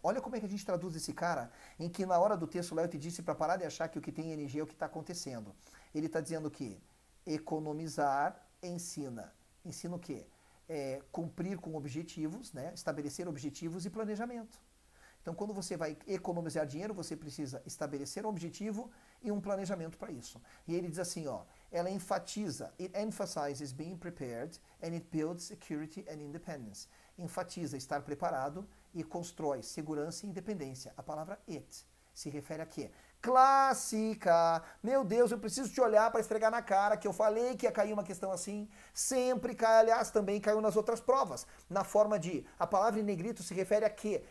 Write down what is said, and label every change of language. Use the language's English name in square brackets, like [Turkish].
[Portuguese] Olha como é que a gente traduz esse cara, em que na hora do texto, Léo te disse para parar de achar que o que tem energia é o que está acontecendo. Ele está dizendo que economizar ensina. Ensina o quê? É cumprir com objetivos, né? Estabelecer objetivos e planejamento. Então, quando você vai economizar dinheiro, você precisa estabelecer um objetivo e um planejamento para isso. E ele diz assim, ó, ela enfatiza, [English] it emphasizes being prepared and it builds security and independence. [Portuguese] Enfatiza estar preparado e constrói segurança e independência. A palavra it se refere a quê? Clássica! Meu Deus, eu preciso te olhar para esfregar na cara que eu falei que ia cair uma questão assim. Sempre cai, aliás, também caiu nas outras provas. Na forma de, a palavra em negrito se refere a quê?